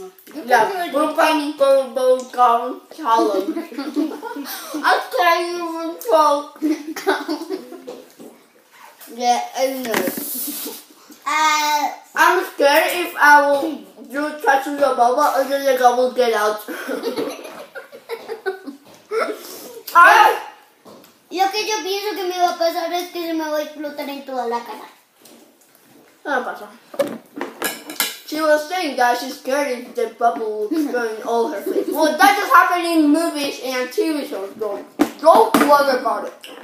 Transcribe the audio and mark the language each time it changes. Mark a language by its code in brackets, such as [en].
[en] Boomba Bubblegum Challenge. I can't even talk. Yeah, I know. I'm scared if I will. You touch your bubble and then the bubble get out. [es] Lo que yo pienso que me va a pasar es que se me va a explotar en toda la cara. No pasa. [en] She was saying that she's scared if the bubble will explode in all her face. Well, that just happened in movies and TV shows, so don't worry about it.